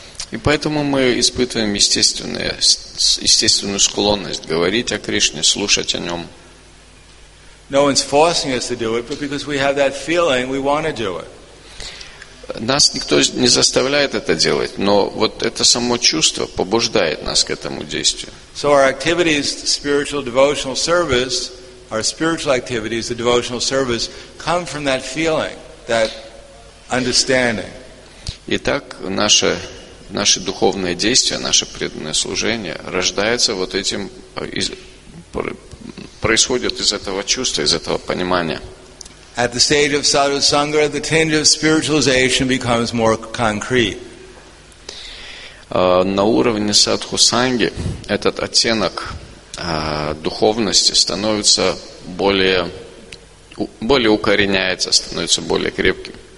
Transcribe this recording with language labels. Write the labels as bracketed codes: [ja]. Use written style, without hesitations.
[ru] И поэтому мы испытываем естественную склонность говорить о Кришне, слушать о нем. [en] No one's forcing us to do it, but because we have that feeling, we want to do it. [ru] Нас никто не заставляет это делать, но вот это само чувство побуждает нас к этому действию. [en] So our activities, spiritual devotional service, our spiritual activities, the devotional service, come from that feeling, that understanding. [ru] Итак, наши духовные действия, наше преданное служение рождается вот этим, происходит из этого чувства, из этого понимания. [en] At the stage of sadhusanga, the tinge of spiritualization becomes more concrete. [ru] На уровне садху-санги этот оттенок духовности становится более укореняется, становится более крепким.